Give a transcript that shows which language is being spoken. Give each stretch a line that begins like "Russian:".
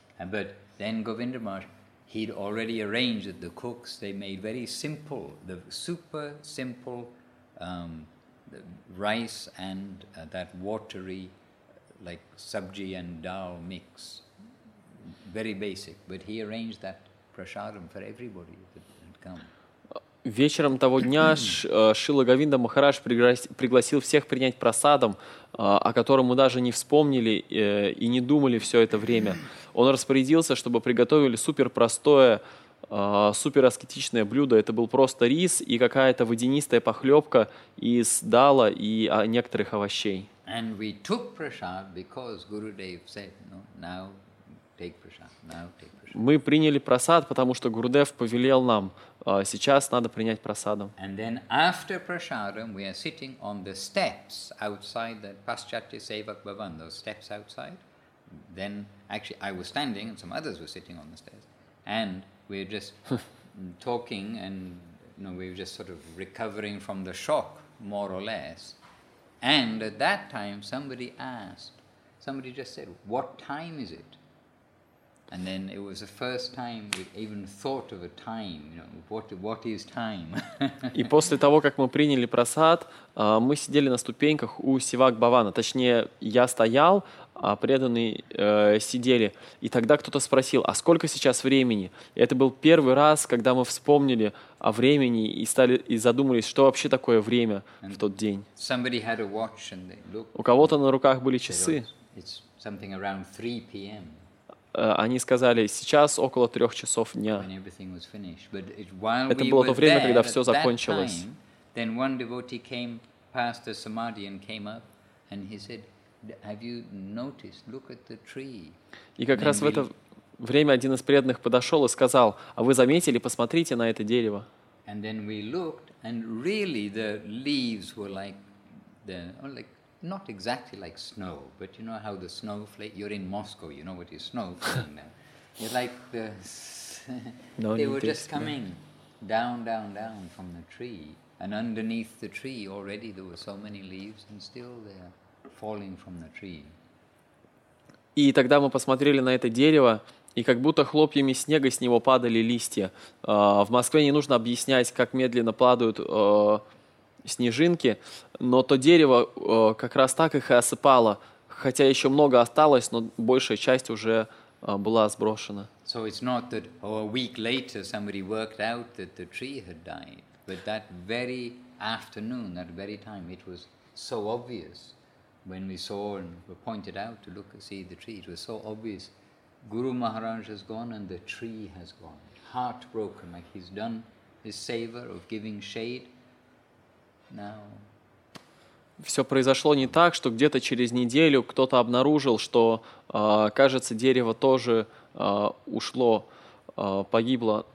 English: But then Govinda Maharaj, he'd already arranged that the cooks, they made very simple, the super simple the rice and that watery, like sabji and dal mix, very basic, but he arranged that prasadam for everybody that had come.
Russian: Вечером того дня Шрила Говинда Махарадж пригласил всех принять прасадам, о котором мы даже не вспомнили и не думали все это время. Он распорядился, чтобы приготовили суперпростое, супераскетичное блюдо. Это был просто рис и какая-то водянистая похлебка из дала и некоторых овощей.
English: And we took prasad because Guru Dev said, no, now take prasad, now take prasad.
Russian: Мы приняли прасад, потому что Гурудев повелел нам, сейчас надо принять прасадам.
English: And then after prasadam, we are sitting on the steps outside the Paschati Sevak Bhavan, those steps outside. Then, actually, I was standing and some others were sitting on the stairs. And we were just talking and, you know, we were just sort of recovering from the shock, more or less. And at that time, somebody asked, somebody just said, what time is it? And then it was the first time we even thought of a time, you know, what is time?
Russian: И после того, как мы приняли прасад, мы сидели на ступеньках у Севак-бхавана. Точнее, я стоял, а преданные сидели. И тогда кто-то спросил, а сколько сейчас времени? И это был первый раз, когда мы вспомнили о времени и стали и задумались, что вообще такое время
English: and
Russian: в тот день.
English: Somebody had a watch and they looked,
Russian: у кого-то на руках были часы.
English: It's something around 3 p.m.
Russian: Они сказали, сейчас около 3 часов дня. Это было то время,
English: there,
Russian: когда все закончилось.
English: Then one devotee came past the samadhi and came up, and he said, have you noticed? Look at the tree.
Russian: И как раз в это время один из преданных подошел и сказал, а вы заметили, посмотрите на это дерево.
English: And then we looked, and really the leaves were like the, oh, like not exactly like snow, but you know how the snow flakes. You're in Moscow, you know what is snow falling there. You're like the no, they were just coming down from the tree, and underneath the tree already there were so many leaves, and still they're falling from the tree.
Russian: И тогда мы посмотрели на это дерево, и как будто хлопьями снега с него падали листья. В Москве не нужно объяснять, как медленно падают снежинки, но то дерево как раз так их и осыпало хотя еще много осталось, но большая часть уже была сброшена.
English: So it's not that a week later somebody worked out that the tree had died, but that very afternoon, that very time, it was so obvious when we saw and were pointed out to look and see the tree. It was so obvious. Guru Maharaj has gone and the tree has gone. Heartbroken, like he's done his savor of giving shade. Now.
Russian: Все произошло не так, что где-то через неделю кто-то обнаружил, что, кажется, дерево тоже ушло, погибло.